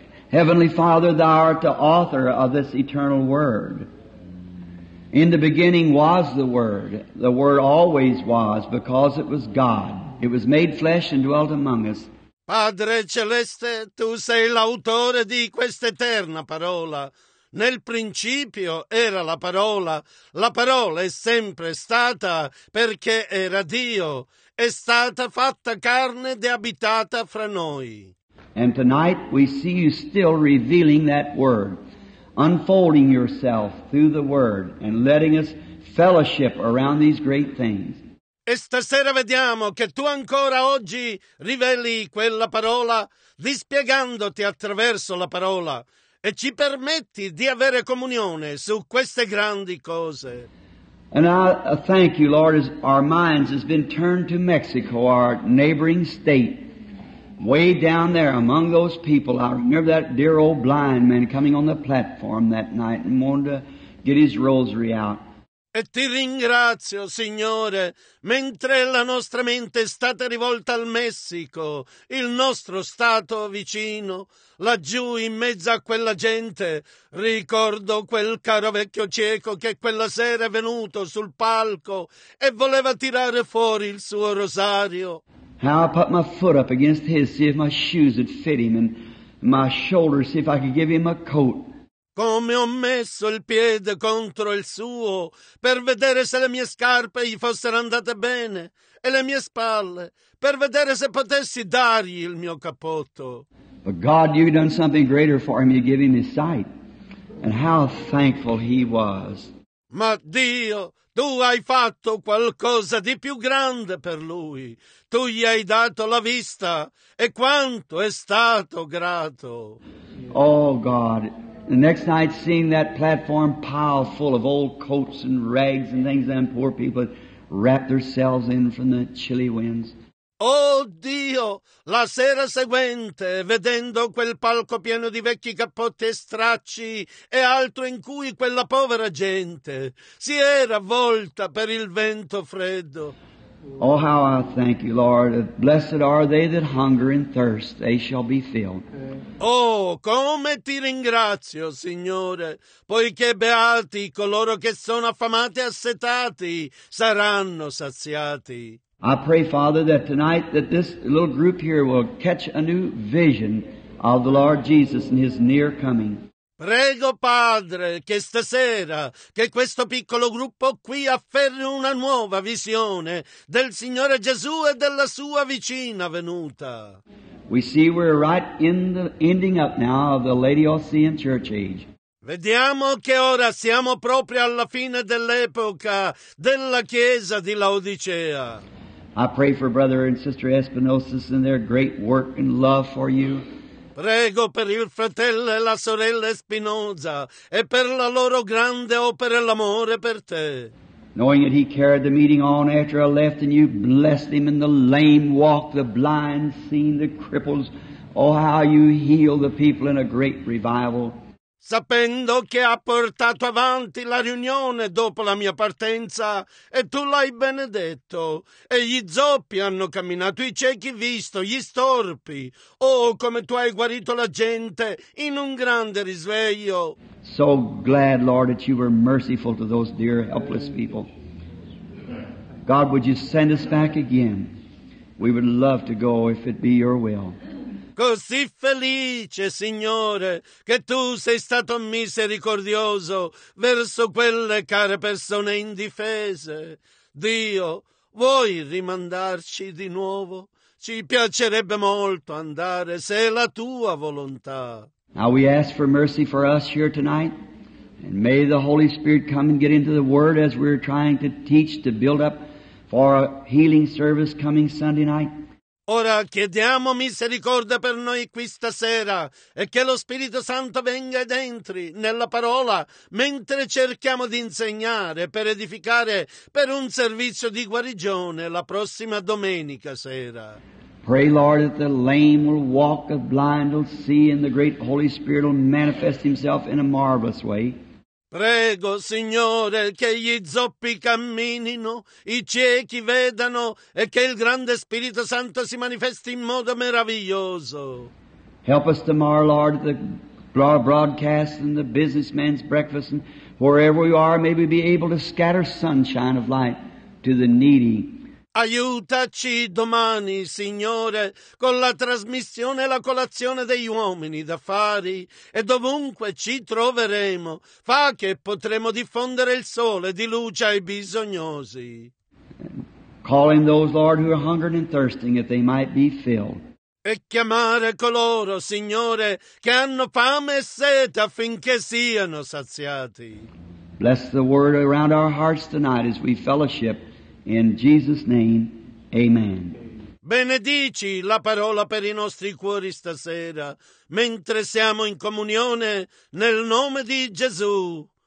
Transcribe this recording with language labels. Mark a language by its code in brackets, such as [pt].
[en] Heavenly Father, Thou art the author of this eternal Word. In the beginning was the Word. The Word always was, because it was God. It was made flesh and dwelt among us. [it] Padre Celeste, Tu sei l'autore di questa eterna parola. Nel principio era la parola è sempre stata perché era Dio, è stata fatta carne ed è abitata fra noi. [en] And tonight we see you still revealing that word, unfolding yourself through the word and letting us fellowship around these great things. [it] E stasera vediamo che tu ancora oggi riveli quella parola, dispiegandoti attraverso la parola. E ci permetti di avere comunione su queste grandi cose. [en] And I thank you, Lord, as our minds has been turned to Mexico, our neighboring state, way down there among those people. I remember that dear old blind man coming on the platform that night and wanted to get his rosary out. [it] E ti ringrazio, Signore, mentre la nostra mente è stata rivolta al Messico, il nostro stato vicino, laggiù in mezzo a quella gente. Ricordo quel caro vecchio cieco che quella sera è venuto sul palco e voleva tirare fuori il suo rosario. [en] How I put my foot up against his, see if my shoes would fit him, and my shoulder, see if I could give him a coat. [it] Come ho messo il piede contro il suo per vedere se le mie scarpe gli fossero andate bene e le mie spalle per vedere se potessi dargli il mio cappotto. [en] But God, you've done something greater for him. You give him his sight. And how thankful he was. [it] Ma Dio, Tu hai fatto qualcosa di più grande per lui. Tu gli hai dato la vista e quanto è stato grato. [en] Oh, God. The next night, seeing that platform pile full of old coats and rags and things, them poor people wrapped themselves in from the chilly winds. [it] Oh Dio, la sera seguente, vedendo quel palco pieno di vecchi cappotti e stracci e altro in cui quella povera gente si era avvolta per il vento freddo. [en] Oh, how I thank you, Lord. Blessed are they that hunger and thirst, they shall be filled. [it] Oh, come ti ringrazio, Signore, poiché beati coloro che sono affamati e assetati saranno saziati. [en] I pray, Father, that tonight that this little group here will catch a new vision of the Lord Jesus and His near coming. [it] Prego, Padre, che stasera che questo piccolo gruppo qui afferri una nuova visione del Signore Gesù e della sua vicina venuta. [en] We see we're right in the ending up now of the Laodicean Church Age. [it] Vediamo che ora siamo proprio alla fine dell'epoca della Chiesa di Laodicea. [en] I pray for Brother and Sister Espinosis and their great work and love for you. [it] Prego per il fratello e la sorella Espinosa e per la loro grande opera e l'amore per te. [en] knowing that he carried the meeting on after I left, and you blessed him, and the lame walked, the blind seen, the cripples. Oh, how you healed the people in a great revival. [it] Sapendo che ha portato avanti la riunione dopo la mia partenza, e tu l'hai benedetto, e gli zoppi hanno camminato, i ciechi visto, gli storpi. Oh, come tu hai guarito la gente in un grande risveglio. [en] So glad, Lord, that you were merciful to those dear, helpless people. God, would you send us back again? We would love to go if it be your will. [it] Così felice, Signore, che Tu sei stato misericordioso verso quelle care persone indifese. Dio, vuoi rimandarci di nuovo? Ci piacerebbe molto andare, se è la Tua volontà. [en] Now we ask for mercy for us here tonight, and may the Holy Spirit come and get into the Word as we're trying to teach to build up for a healing service coming Sunday night. [it] Ora chiediamo misericordia per noi qui stasera e che lo Spirito Santo venga ed entri nella parola mentre cerchiamo di insegnare per edificare per un servizio di guarigione la prossima domenica sera. [en] Pray, Lord, that the lame will walk, the blind will see, and the great Holy Spirit will manifest himself in a marvelous way. [it] Prego, Signore, che gli zoppi camminino, i ciechi vedano e che il grande Spirito Santo si manifesti in modo meraviglioso. [en] Help us tomorrow, Lord, at the broadcast and the businessman's breakfast, and wherever we are, may we be able to scatter sunshine of light to the needy. [it] Aiutaci domani, Signore, con la trasmissione e la colazione degli uomini d'affari, e dovunque ci troveremo, fa che potremo diffondere il sole di luce ai bisognosi. [en] Calling those, Lord, who are hungered and thirsting, that they might be filled. [it] E chiamare coloro, Signore, che hanno fame e sete affinché siano saziati. [en] Bless the word around our hearts tonight as we fellowship. In Jesus' name, amen. [it] Benedici la parola per i nostri cuori stasera, mentre siamo in comunione, nel nome di Gesù.